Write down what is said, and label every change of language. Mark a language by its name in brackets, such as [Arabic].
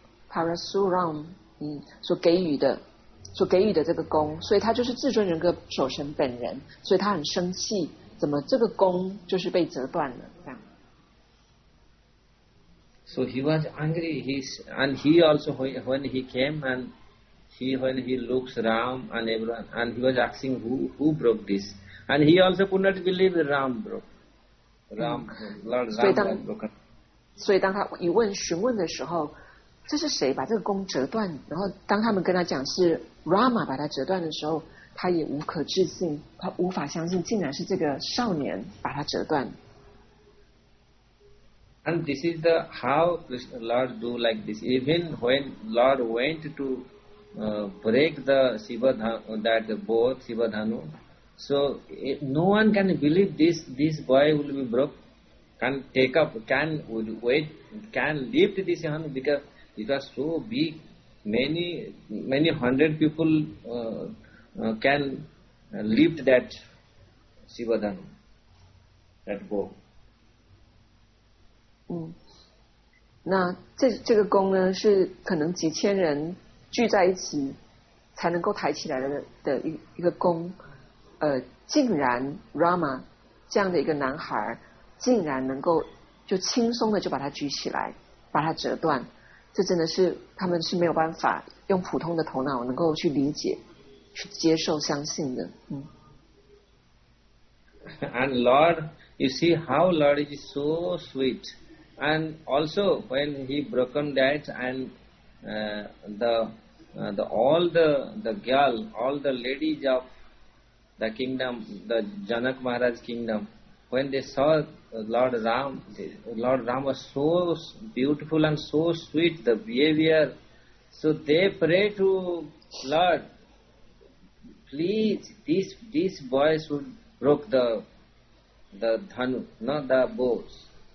[Chinese] Parshuram 所给予的这个弓，所以他就是至尊人格守神本人，所以他很生气，怎么这个弓就是被折断了？这样。 [English] So he was angry. He also when he came and he when he looks Ram and everyone and he was asking who broke this and he also could not believe Ram broke. Lord Ram broke. [Chinese] 所以当他询问的时候。这是谁把这个弓折断？然后当他们跟他讲是 Rama 把他折断的时候，他也无可置信，他无法相信，竟然是这个少年把他折断。 [English] And this is the how Lord do like this. Even when Lord went to break the Shiva that bow Shiva Dhanu, so no one can believe this boy will be broke, can take up, can wait, can lift this hand because. It was so big, many hundred people can lift that Shiva Dhanu, that bow. [Chinese] 那这个宫呢，是可能几千人聚在一起才能够抬起来的一个宫，竟然 Rama 这样的一个男孩竟然能够就轻松的就把它举起来，把它折断，这真的是他们是没有办法用普通的头脑能够去理解、去接受、相信的。 [English] And Lord, you see how Lord is so sweet, and also when he broken that and the all the girl, all the ladies of the kingdom, the Janak Maharaj kingdom, when they saw Lord Ram was so beautiful and so sweet, the behavior, so they pray to Lord, please, this boy should broke the dhanu, not the bows.